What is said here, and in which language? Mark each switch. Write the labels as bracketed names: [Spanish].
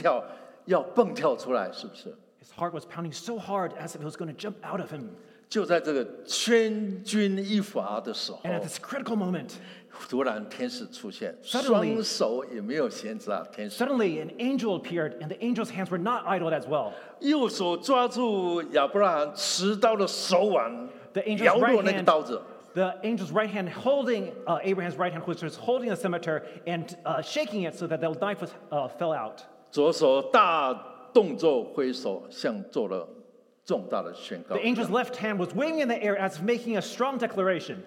[Chinese] 他的心脏呢，蹦蹦蹦蹦，加速腾跳，要蹦跳出来，是不是？ [English] His heart was pounding so hard as if it was going to jump out of him. [Chinese] 就在这个千钧一发的时候, [English] and at this critical moment, [Chinese] 突然天使出现, [English] suddenly, [Chinese] 双手也没有闲着啊, 天使, [English] suddenly an angel appeared, and the angel's hands were not idle as well. [Chinese] 右手抓住亚伯拉罕持刀的手腕, [English] the angel's right hand holding Abraham's right hand, which was holding the scimitar, and shaking it so that the knife was, fell out. [Chinese] 左手大 动作挥手，像做了重大的宣告。 [English] The angel's left hand was waving in the air as making a strong declaration.